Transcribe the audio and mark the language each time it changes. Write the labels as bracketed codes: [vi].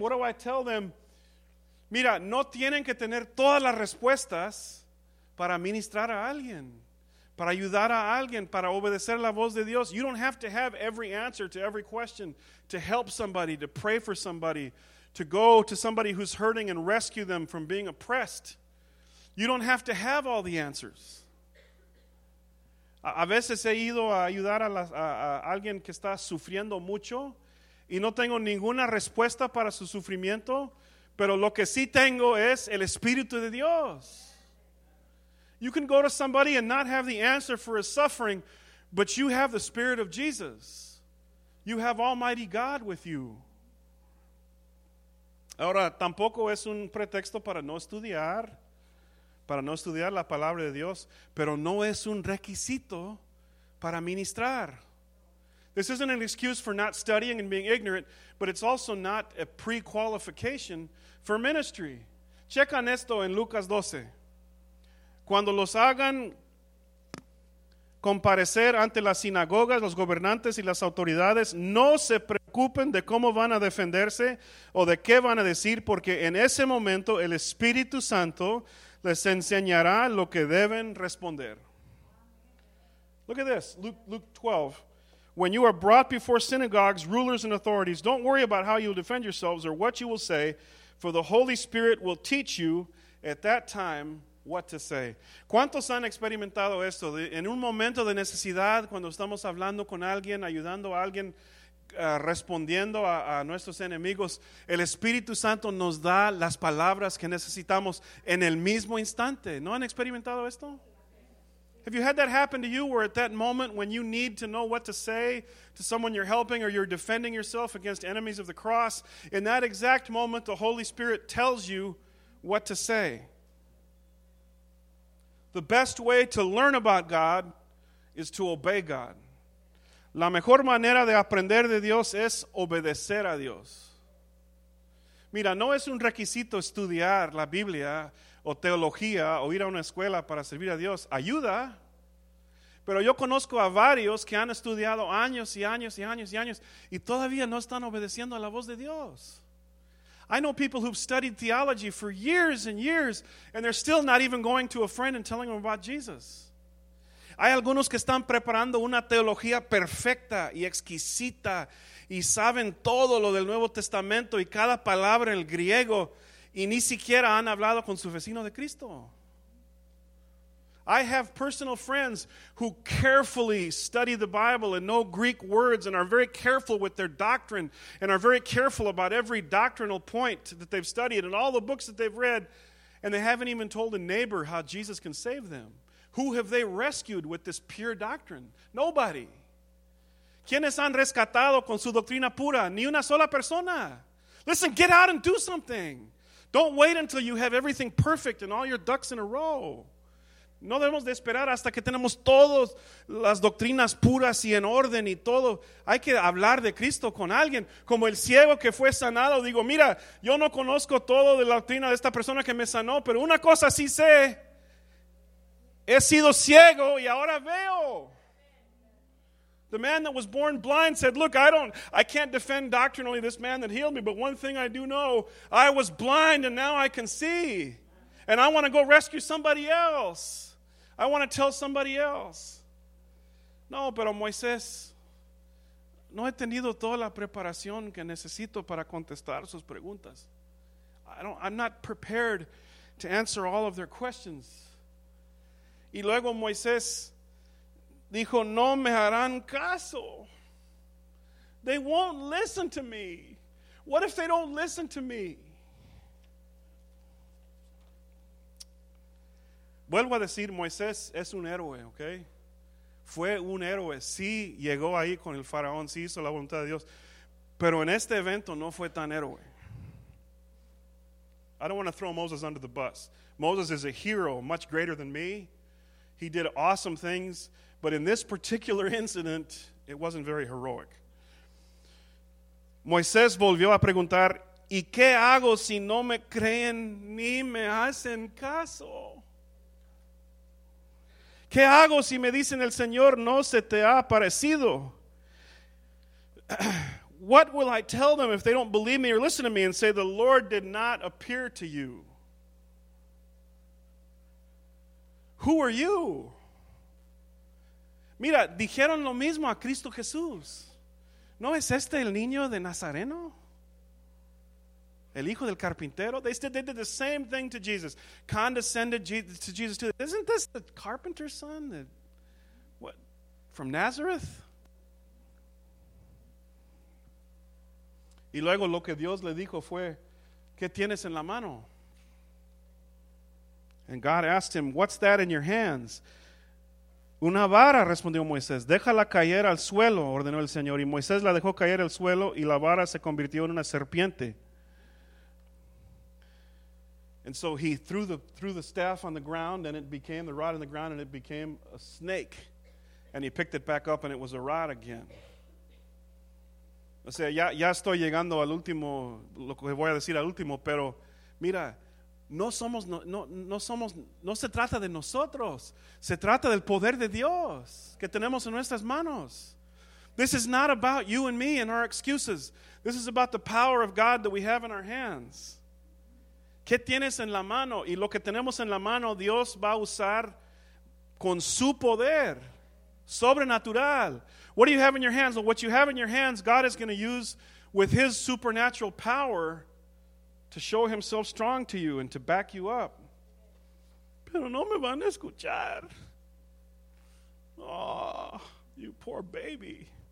[en] What do I tell them? [es] Mira, no tienen que tener todas las respuestas para ministrar a alguien, para ayudar a alguien, para obedecer la voz de Dios. [en] You don't have to have every answer to every question to help somebody, to pray for somebody, to go to somebody who's hurting and rescue them from being oppressed. You don't have to have all the answers. [es] A veces he ido a ayudar a alguien que está sufriendo mucho y no tengo ninguna respuesta para su sufrimiento, pero lo que sí tengo es el Espíritu de Dios. [en] You can go to somebody and not have the answer for his suffering, but you have the Spirit of Jesus. You have Almighty God with you. [es] Ahora, tampoco es un pretexto para no estudiar. Para no estudiar la palabra de Dios, pero no es un requisito para ministrar. [en] This isn't an excuse for not studying and being ignorant, but it's also not a pre-qualification for ministry. [es] Checan esto en Lucas 12. Cuando los hagan comparecer ante las sinagogas, los gobernantes y las autoridades, no se preocupen de cómo van a defenderse o de qué van a decir, porque en ese momento el Espíritu Santo les enseñará lo que deben responder. [en] Look at this, Luke 12. When you are brought before synagogues, rulers, and authorities, don't worry about how you'll defend yourselves or what you will say, for the Holy Spirit will teach you at that time what to say. [es] ¿Cuántos han experimentado esto? En un momento de necesidad, cuando estamos hablando con alguien, ayudando a alguien, respondiendo a nuestros enemigos, el Espíritu Santo nos da las palabras que necesitamos en el mismo instante. ¿No han experimentado esto? [en] Have you had that happen to you where at that moment when you need to know what to say to someone you're helping or you're defending yourself against enemies of the cross, in that exact moment the Holy Spirit tells you what to say? The best way to learn about God is to obey God. [es] La mejor manera de aprender de Dios es obedecer a Dios. Mira, no es un requisito estudiar la Biblia o teología o ir a una escuela para servir a Dios. Ayuda. Pero yo conozco a varios que han estudiado años y años y años y años y todavía no están obedeciendo a la voz de Dios. [en] I know people who've studied theology for years and years and they're still not even going to a friend and telling them about Jesus. [es] Hay algunos que están preparando una teología perfecta y exquisita y saben todo lo del Nuevo Testamento y cada palabra en el griego y ni siquiera han hablado con su vecino de Cristo. [en] I have personal friends who carefully study the Bible and know Greek words and are very careful with their doctrine and are very careful about every doctrinal point that they've studied and all the books that they've read, And they haven't even told a neighbor how Jesus can save them. Who have they rescued with this pure doctrine? Nobody. [es] ¿Quiénes han rescatado con su doctrina pura? Ni una sola persona. [en] Listen, get out and do something. Don't wait until you have everything perfect and all your ducks in a row. [es] No debemos de esperar hasta que tenemos todas las doctrinas puras y en orden y todo. Hay que hablar de Cristo con alguien. Como el ciego que fue sanado, digo, mira, yo no conozco todo de la doctrina de esta persona que me sanó, pero una cosa sí sé. He sido ciego y ahora veo. [en] The man that was born blind said, look, I can't defend doctrinally this man that healed me, but one thing I do know, I was blind and now I can see. And I want to go rescue somebody else. I want to tell somebody else. [es] No, pero Moisés, no he tenido toda la preparación que necesito para contestar sus preguntas. [en] I'm not prepared to answer all of their questions. [es] Y luego Moisés dijo, no me harán caso. [en] They won't listen to me. What if they don't listen to me? [es] Vuelvo a decir, Moisés es un héroe, ¿ok? Fue un héroe. Sí llegó ahí con el faraón, sí hizo la voluntad de Dios. Pero en este evento no fue tan héroe. [en] I don't want to throw Moses under the bus. Moses is a hero, much greater than me. He did awesome things. But in this particular incident, it wasn't very heroic. [es] Moisés volvió a preguntar, ¿y qué hago si no me creen ni me hacen caso? ¿Qué hago si me dicen el Señor no se te ha aparecido? [en] What will I tell them if they don't believe me or listen to me and say the Lord did not appear to you? Who are you? [es] Mira, dijeron lo mismo a Cristo Jesús. ¿No es este el niño de Nazareno? El hijo del carpintero. [en] They did the same thing to Jesus. Condescended to Jesus too. Isn't this the carpenter's son? From Nazareth? [es] Y luego lo que Dios le dijo fue, ¿qué tienes en la mano? [en] And God asked him, what's that in your hands? [es] Una vara, respondió Moisés. Déjala caer al suelo, ordenó el Señor. Y Moisés la dejó caer al suelo y la vara se convirtió en una serpiente. [en] And so he threw the staff on the ground and it became the rod on the ground and it became a snake. And he picked it back up and it was a rod again. [es] O sea, ya estoy llegando al último, lo que voy a decir al último, pero mira, no se trata de nosotros. Se trata del poder de Dios que tenemos en nuestras manos. [en] This is not about you and me and our excuses. This is about the power of God that we have in our hands. [es] ¿Qué tienes en la mano? Y lo que tenemos en la mano, Dios va a usar con su poder sobrenatural. [en] What do you have in your hands? Well, what you have in your hands, God is going to use with his supernatural power to show himself strong to you and to back you up. [es] Pero no me van a escuchar. [en] Oh, you poor baby.